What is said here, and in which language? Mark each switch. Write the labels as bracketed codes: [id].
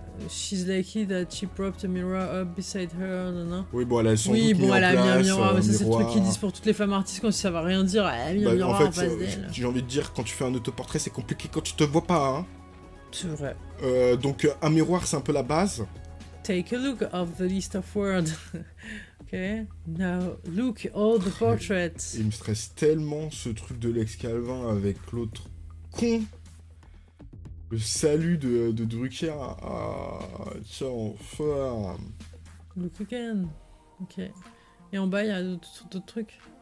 [en] She's lucky that she propped a mirror up beside her. [fr] Non. Oui, bon, elle a son. Oui, bon, elle a place, mis un miroir. Mais ça, c'est le truc qu'ils disent pour toutes les femmes artistes quand ça va rien dire. Elle a mis un miroir en fait, en face d'elle. J'ai envie de dire, quand tu fais un autoportrait, c'est compliqué quand tu te vois pas. Hein. C'est vrai. Donc, un miroir, c'est un peu la base. [en] Take a look of the list of words. Ok. Now, look all the portraits. [fr] Il me stresse tellement ce truc de Lex Calvin avec l'autre con. Le salut de Drucker à... Tiens, enfin... [en] Look again. Ok. [fr] Et en bas, il y a d'autres trucs.